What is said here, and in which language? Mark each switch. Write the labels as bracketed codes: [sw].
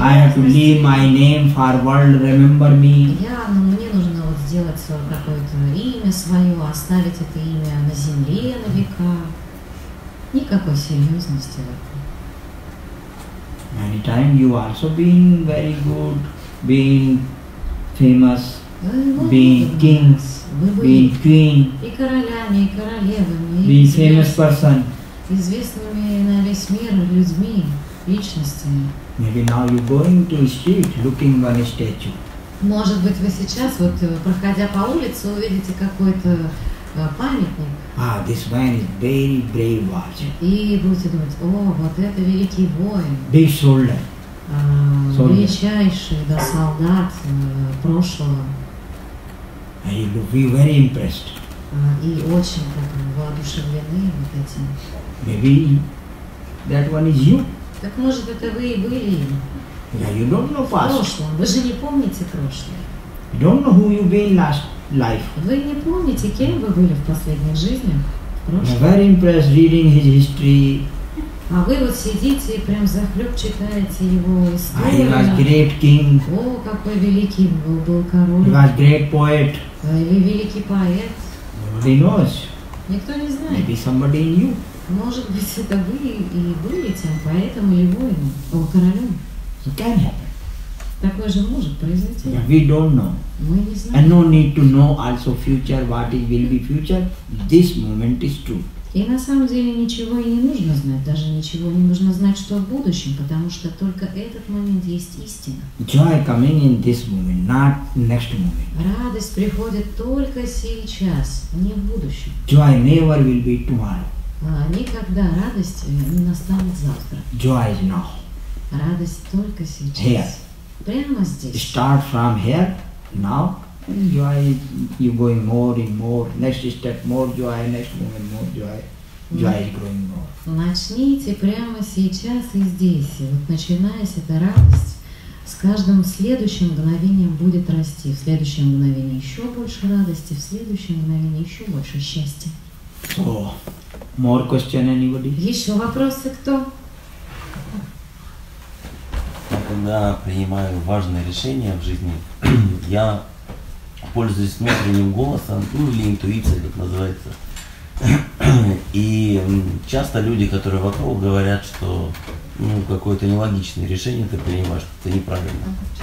[en] I have to leave my name for world remember me. [ru] Мне нужно вот сделать какое-то имя свое, оставить это имя на земле на века. Никакой серьезности в этом. [en] Many time you also been very good, being famous, being kings, being queen. [ru] И королями, и королевами. [en] Being famous person. [ru] Известными на весь мир людьми, личностями. [en] Maybe now you're going to the street, looking one statue. [ru] Может быть, вы сейчас, вот проходя по улице, увидите какой-то памятник. [en] Ah, this man is very brave warrior. [ru] И будете думать, о, вот это великий воин. [en] Big soldier. [ru] Величайший да, солдат прошлого. [en] And you will be very impressed. [ru] И очень так воодушевлены вот этим. [en] Maybe that one is you. [ru] Так может это вы и были. [en] Yeah, you don't know past. [ru] В прошлом. Вы же не помните прошлое. [en] You don't know who you been last life. [ru] Вы не помните, кем вы были в последних жизнях. [en] I'm very impressed reading his history. [ru] А вы вот сидите и прям захлеб читаете его историю. [en] He was great king. [ru] О, какой великий был король. [en] He was great poet. [ru] И великий поэт. [en] Nobody knows. [ru] Никто не знает. [en] Maybe somebody in you. [ru] Может быть, это вы и были тем поэтом или воином, полукоролем. [en] So can happen. [ru] Такое же может произойти. [en] But we don't know. [ru] Мы не знаем. [en] And no need to know also future, what it will be future. This moment is true. [ru] И на самом деле ничего и не нужно знать, даже ничего не нужно знать, что в будущем, потому что только этот момент есть истина. [en] Joy coming in this moment, not next moment. [ru] Радость приходит только сейчас, не в будущем. [en] Joy never will be tomorrow. [ru] Никогда радость не настанет завтра. [en] Joy is now. [ru] Радость только сейчас. [en] Here. [ru] Прямо здесь. [en] Start from here, now. And joy, you going more and more. Next step, more joy. Next moment, more joy. Joy is growing more. [ru] Начните прямо сейчас и здесь. И вот начиная с этой радости, с каждым следующим мгновением будет расти. В следующем мгновении еще больше радости. В следующем мгновении еще больше счастья. [en] So, more question anybody? [ru] Еще вопросы кто? Я когда принимаю важные решения в жизни, я пользуюсь внутренним голосом, ну или интуицией, как называется. И часто люди, которые вокруг, говорят, что ну, какое-то нелогичное решение ты принимаешь, что это неправильно.